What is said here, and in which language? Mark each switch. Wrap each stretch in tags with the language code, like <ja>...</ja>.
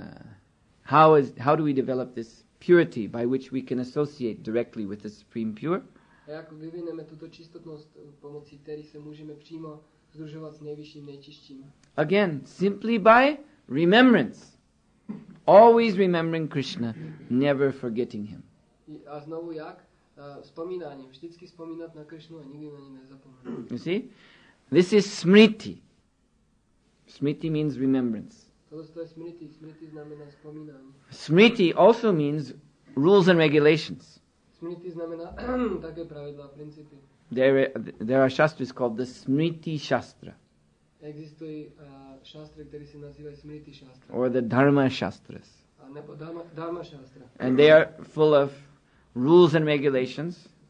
<en>And how do we develop this purity by which we can associate directly with the Supreme Pure?</en> <cs>A jak vyvineme tuto čistotnost pomocí které se můžeme přímo združovat s nejvyšším nejčistším?</cs> <en>Again, simply by remembrance. Always remembering Krishna, never forgetting him.</en> <cs>A znovu jak? Vzpomínáním. Vždycky vzpomínat na Krishnu a nikdy na něj nezapomenout.</cs> <en>You see? This is smriti. Smriti means remembrance.</en> <cs>Smriti znamená vzpomínání.</cs> <en>Smriti also means rules and regulations.</en> <cs>Smriti znamená také pravidla, principy.</cs> <en>There are shastras called the Smriti Shastra.</en> <cs>Existují šastry, které se nazývají Smriti Shastra.</cs> <en>Or the Dharma Shastras.</en> <cs>nebo dharma šastra.</cs> <en>And they are full of rules and regulations.</en>